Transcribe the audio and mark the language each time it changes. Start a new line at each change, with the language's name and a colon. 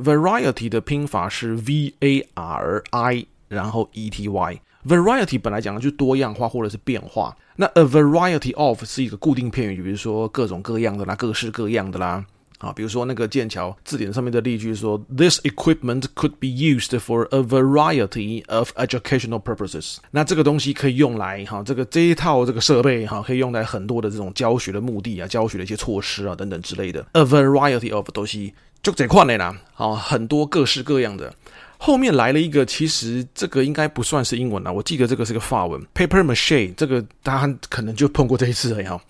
Chinese: variety 的拼法是 v-a-r-i 然后 e-t-y。 variety 本来讲的就是多样化或者是变化。那 a variety of 是一个固定片语，比如说各种各样的啦，各式各样的啦。啊，比如说那个剑桥字典上面的例句说
English: ,this equipment could be used for a variety of educational purposes.
Chinese: 那这个东西可以用来这一套设备可以用来很多的这种教学的目的啊，教学的一些措施啊等等之类的。 A variety of 东西就这款的啦，很多各式各样的。后面来了一个，其实这个应该不算是英文啦，我记得这个是个法文 ,paper mache, 这个大家可能就碰过这一次了。